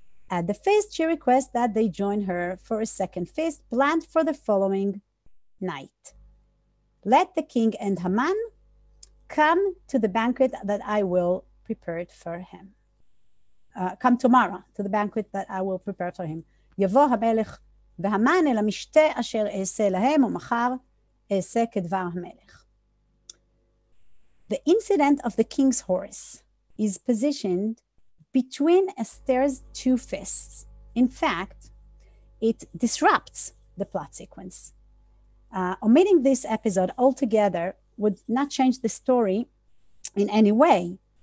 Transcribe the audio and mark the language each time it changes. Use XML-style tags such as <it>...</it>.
<en>At the feast, she requests that they join her for a second feast planned for the following night. Let the king and Haman come to the banquet that I will prepare for him. Come tomorrow to the banquet that I will prepare for him.</en> <he>Yavo HaMelech והמן אל המשתה אשר אעשה להם ומחר אעשה כדבר המלך.</he> <en>The incident of the king's horse is positioned between Esther's two feasts. In fact, it disrupts the plot sequence. Omitting this episode altogether would not change the story in any way.</en>